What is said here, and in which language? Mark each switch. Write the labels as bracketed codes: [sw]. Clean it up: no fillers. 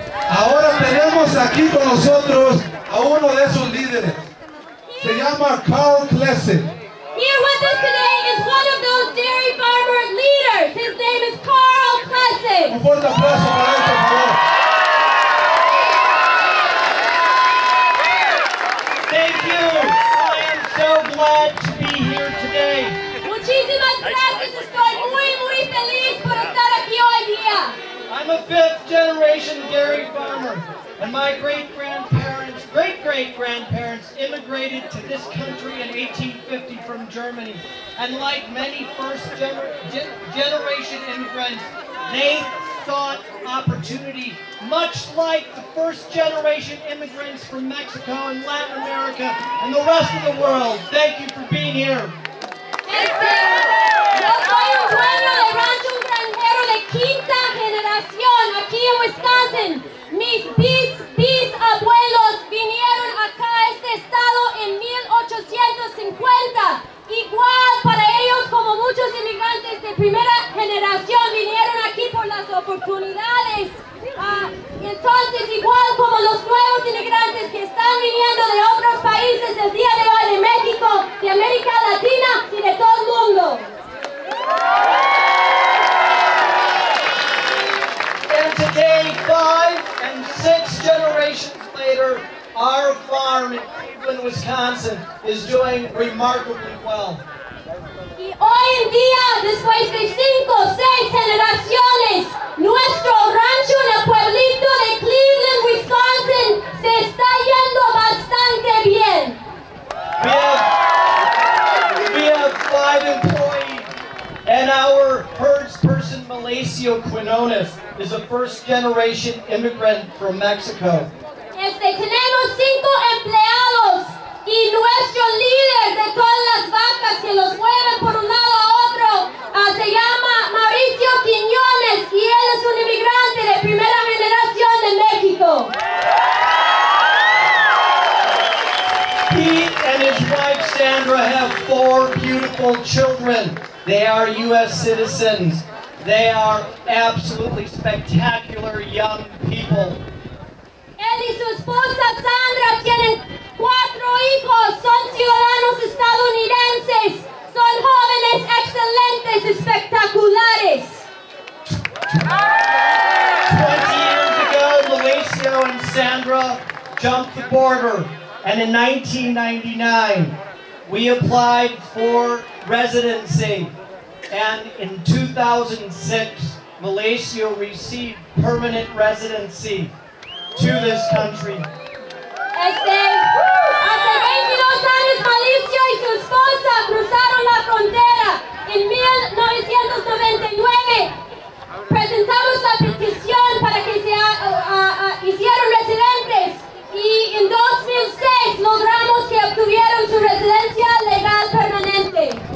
[es] Ahora tenemos aquí con nosotros a uno de esos líderes. Se llama Karl. [en] Here with us today is one of those dairy farmer leaders. His name is Karl Klessig. [es] Un fuerte aplauso para él, por favor. [en] Thank you. I am so glad to be here today. [es] Muchísimas gracias. Estoy muy, muy feliz por estar aquí hoy día. [en] I'm a fifth-generation dairy farmer, and my great-grandparents, great-great-grandparents immigrated to this country in 1850 from Germany. And like many first-generation immigrants, they sought opportunity, much like the first-generation immigrants from Mexico and Latin America and the rest of the world. Thank you for being here. Thank you. [es] Quinta generación aquí en Wisconsin. Mis bisabuelos vinieron acá a este estado en 1850. Igual para ellos como muchos inmigrantes de primera generación vinieron aquí por las oportunidades. Entonces igual como los nuevos inmigrantes que están viniendo de otros países el día de hoy de México, de América Latina y de todo el mundo. [en] Today, 5 and 6 generations later, our farm in Cleveland, Wisconsin is doing remarkably well. [es] Y hoy en día, después de 5, 6 generaciones, nuestro rancho en el pueblito de Cleveland, Wisconsin, se está yendo bastante bien. [en] We have 5 employees, and our herdsperson, Malaysio Quinones, is a first-generation immigrant from Mexico. [es] Este, tenemos 5 empleados y nuestro líder de todas las vacas que los mueven por un lado a otro se llama Mauricio Quiñones y él es un inmigrante de primera generación de México. [en] He and his wife Sandra have 4 beautiful children. They are U.S. citizens. They are absolutely spectacular young people. [es] Él y su esposa Sandra tienen 4 hijos. Son ciudadanos estadounidenses. Son jóvenes excelentes, espectaculares. [en] 20 years ago, Malaysio and Sandra jumped the border. And in 1999, we applied for residency. And in 2006, Malaysio received permanent residency to this country. [es] Este, hace 22 años, Malaysio y su esposa cruzaron la frontera. En 1999, presentamos la petición para que se hicieran residentes. Y en 2006, logramos que obtuvieron su residencia legal permanente.